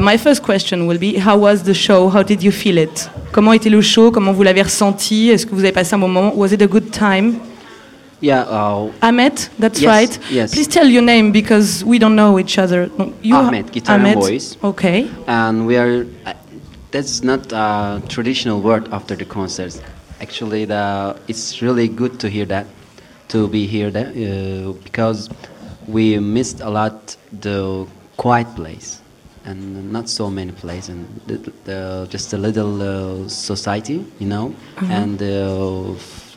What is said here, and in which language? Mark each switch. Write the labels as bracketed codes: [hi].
[en] My first question will be, how was the show, how did you feel it? [fr] Comment était le show, comment vous l'avez ressenti, est-ce que vous avez passé un moment, [en] was it a good time? Ahmed, that's yes, right. Yes. Please tell your name because we don't know each other. Ahmed, guitar Ahmed. And voice. Okay. And we are. That's not a traditional word after the concerts. Actually, it's really good to hear that, to be here that, because we missed a lot the quiet place, and not so many places, and just a little society, you know, mm-hmm. and.